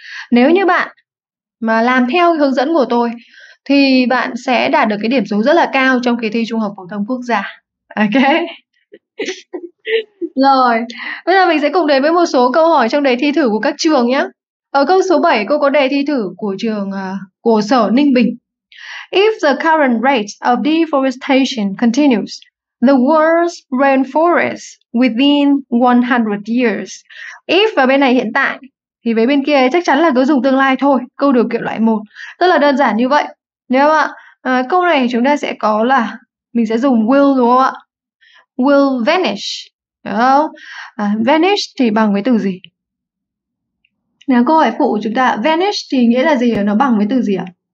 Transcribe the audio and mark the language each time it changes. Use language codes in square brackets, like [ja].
[vi] Nếu như bạn mà làm theo hướng dẫn của tôi thì bạn sẽ đạt được cái điểm số rất là cao trong kỳ thi Trung học phổ thông quốc gia. Ok. Rồi, bây giờ mình sẽ cùng đến với một số câu hỏi trong đề thi thử của các trường nhé. Ở câu số 7, cô có đề thi thử của trường của Sở Ninh Bình. [en] If the current rate of deforestation continues, the world's rainforest within 100 years. [vi] If ở bên này hiện tại, thì với bên kia chắc chắn là cứ dùng tương lai thôi. Câu điều kiện loại 1, rất là đơn giản như vậy. Nếu không ạ, câu này chúng ta sẽ có là, mình sẽ dùng will đúng không ạ? [en] Will vanish. [vi] Đúng không? Vanish thì bằng với từ gì? Nào câu hỏi phụ chúng ta, vanish thì nghĩa là gì? Nó bằng với từ gì ạ?